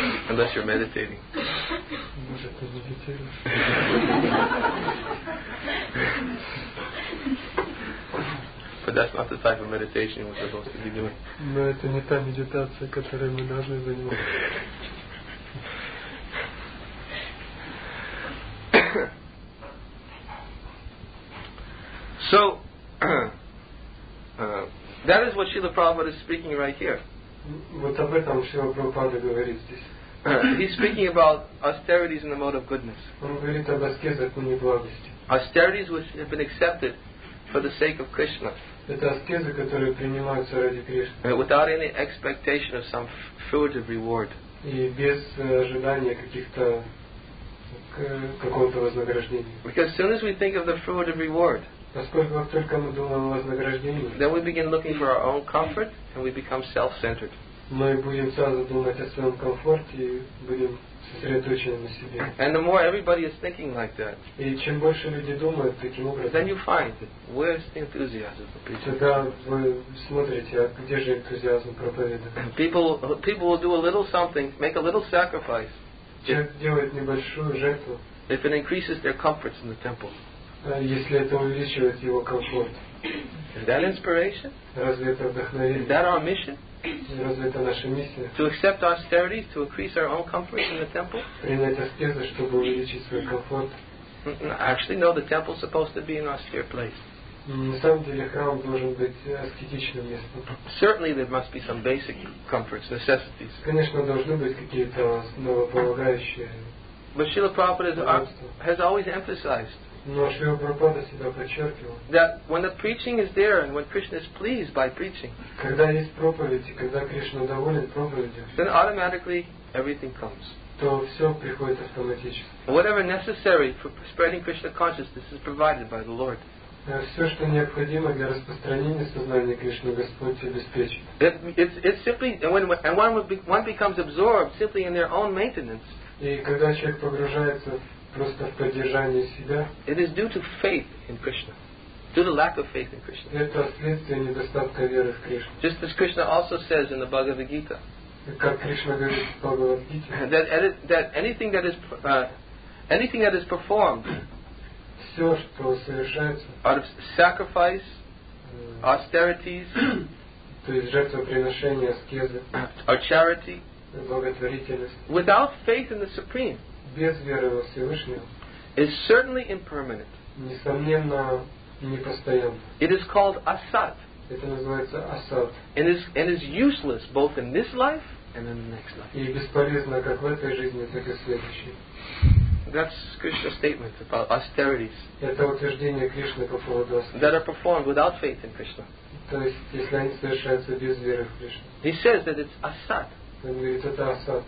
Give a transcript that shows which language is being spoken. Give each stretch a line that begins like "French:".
English: Unless you're meditating. But that's not the type of meditation we're supposed to be doing.
Russian: No, это не та медитация, которой мы должны заниматься.
English: So that is what Srila Prabhupada is speaking right here.
Russian: Вот об этом Шрила Прабхупада говорит здесь.
English: He's speaking about austerities in the mode of goodness.
Russian: Он говорит об аскезах в благости.
English: Austerities which have been accepted for the sake of Krishna.
Russian: Это аскезы, которые принимаются ради Кришны.
English: Without any expectation of some fruit of reward.
Russian: И без ожидания каких-то какого-то вознаграждения.
English: Because as soon as we think of the fruit of reward.
Russian: Поскольку только мы думаем о вознаграждении,
English: then we begin looking for our own comfort and we become self-centered.
Russian: Мы будем сразу думать о своем комфорте и будем сосредоточены на себе.
English: And the more everybody is thinking like that,
Russian: и чем больше люди думают таким образом,
English: then you find where's the enthusiasm for preaching.
Russian: Тогда вы смотрите, а где же энтузиазм проповедования.
English: People will do a little something, make a little sacrifice.
Russian: Человек делает небольшую жертву.
English: If it increases their comforts in the temple.
Russian: Если это увеличивает его комфорт.
English: Is that inspiration?
Russian: Разве это вдохновение?
English: Is that our mission?
Russian: Разве это наша миссия?
English: To accept austerities, to increase our own comfort in the temple?
Russian: Принять аскезы, чтобы увеличить свой комфорт.
English: Actually, no, the temple is supposed to be an austere place.
Russian: На самом деле храм должен быть аскетичным местом.
English: Certainly there must be some basic comforts, necessities.
Russian: Конечно, должны быть какие-то основополагающие.
English: But Srila Prabhupada has always emphasized.
Russian: Но Шрила Прабхупада всегда подчеркивал.
English: That when the preaching is there and when Krishna is pleased by preaching.
Russian: Когда есть проповедь и когда Кришна доволен проповедью.
English: Then automatically everything comes.
Russian: то все приходит автоматически.
English: Whatever necessary for spreading Krishna consciousness is provided by the Lord.
Russian: Все, что необходимо для распространения сознания Кришны, Господь обеспечит.
English: It's simply and when one becomes absorbed simply in their own maintenance.
Russian: И когда человек погружается просто в поддержание себя.
English: It is due to faith in Krishna. Due to lack of faith in Krishna.
Russian: Это следствие недостатка веры в Кришну.
English: Just as Krishna also says in the Bhagavad Gita.
Russian: Как Кришна говорит в Бхагавад Гите.
English: That anything that is performed.
Russian: Все, что совершается.
English: Out of sacrifice, austerities.
Russian: То есть жертвоприношения, аскезы.
English: Or charity.
Russian: Благотворительность.
English: Without faith in the Supreme.
Russian: Без веры во Всевышнего.
English: Is certainly impermanent.
Russian: Несомненно.
English: It is called asat.
Russian: Это называется асат.
English: And is useless both in this life and in the next life.
Russian: И бесполезно как в этой жизни, так и в следующей.
English: That's Krishna's statement about austerities.
Russian: Это утверждение Кришны по поводу астерии.
English: That are performed without faith in Krishna.
Russian: То есть если они совершаются без веры в Кришну.
English: He says that it's asat.
Russian: Он говорит, это асат.